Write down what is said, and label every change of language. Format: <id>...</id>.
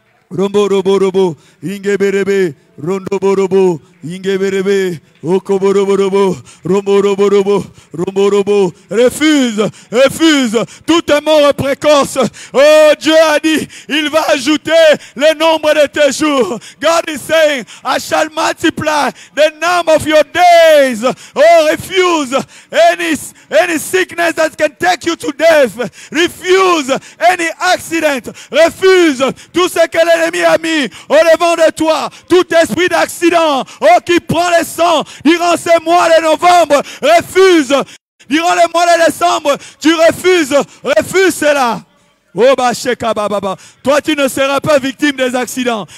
<en>Rombo robo robo. Inge berebe. Rondo borobo. Inge berebe. Oko borobo robo. Rombo robo robo. Rombo robo. Refuse. Refuse.</en> <fr>Tout est mort précoce. Oh, Dieu a dit, il va ajouter le nombre de tes jours.</fr> <en>God is saying, I shall multiply the number of your days. Oh, refuse any sickness that can take you to death. Refuse any accident.</en> <fr>Refuse tout ce que l'ennemi a mis au devant de toi. Tout esprit d'accident, oh, qui prend le sang durant ces mois de novembre, refuse. Durant les mois de décembre, tu refuses. Refuse cela. Oh, bah, sheka, bah, bah, bah. Toi, tu ne seras pas victime des accidents.</fr>